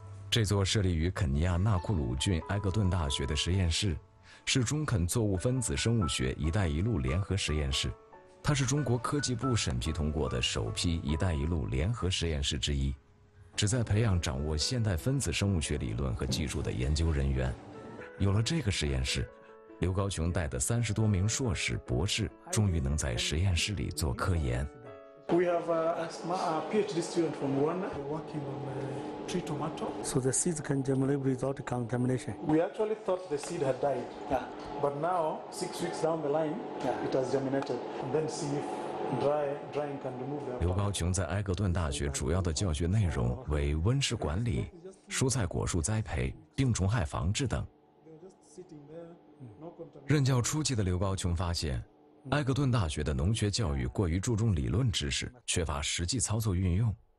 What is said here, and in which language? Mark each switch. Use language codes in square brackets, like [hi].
[zh] 这座设立于肯尼亚纳库鲁郡埃格顿大学的实验室，是中肯作物分子生物学“一带一路”联合实验室，它是中国科技部审批通过的首批“一带一路”联合实验室之一，旨在培养掌握现代分子生物学理论和技术的研究人员。有了这个实验室，刘高琼带的30多名硕士、博士终于能在实验室里做科研。 [en] We have a PhD student from Rwanda working on the tree tomato. So the seeds can germinate without contamination. We actually thought the seed had died. Yeah. But now, 6 weeks down the line, it has germinated. And then see if drying can remove that. [zh] 刘高琼在埃格顿大学主要的教学内容为温室管理、蔬菜果树栽培、病虫害防治等。任教初期的刘高琼发现，埃格顿大学的农学教育过于注重理论知识，缺乏实际操作运用。